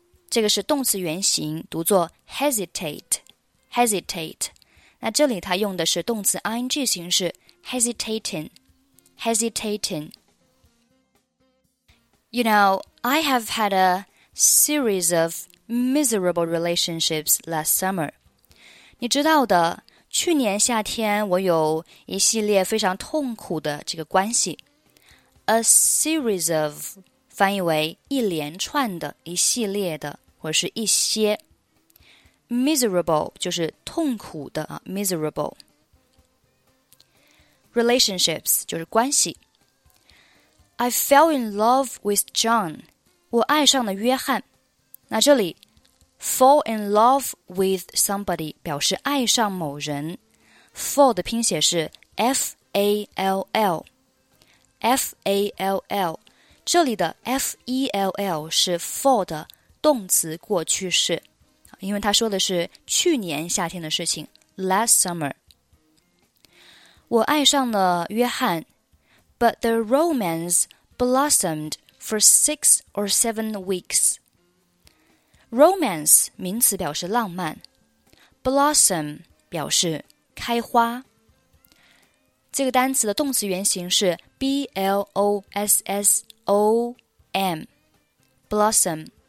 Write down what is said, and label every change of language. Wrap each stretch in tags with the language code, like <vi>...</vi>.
<zh>这个是动词原形读作 Hesitate Hesitate 那这里它用的是动词 ing 形式 Hesitating Hesitating</zh> <en>You know, I have had aseries of miserable relationships last summer.</en> <zh>你知道的,去年夏天我有一系列非常痛苦的这个关系。</zh> <en>A series of,</en> <zh>翻译为一连串的,一系列的,或是一些。 Miserable, 就是痛苦的,miserable. Relationships, 就是关系。</zh> <en>I fell in love with John.</en> <zh>我爱上了约翰。那这里</zh> <en>fall in love with somebody</en> <zh>表示爱上某人。 fall 的拼写是 F-A-L-L。 F-A-L-L。这里的 F-E-L-L 是 fall 的动词过去式。因为他说的是去年夏天的事情</zh> <en>last summer。</en> <zh>我爱上了约翰。</zh> <en>But the romance blossomed. For 6 or 7 weeks.</en> <zh>Romance, 名词表示浪漫。 Blossom, 表示开花。这个单词的动词原形是 B-L-O-S-S-O-M.</zh> <en>Blossom.</en>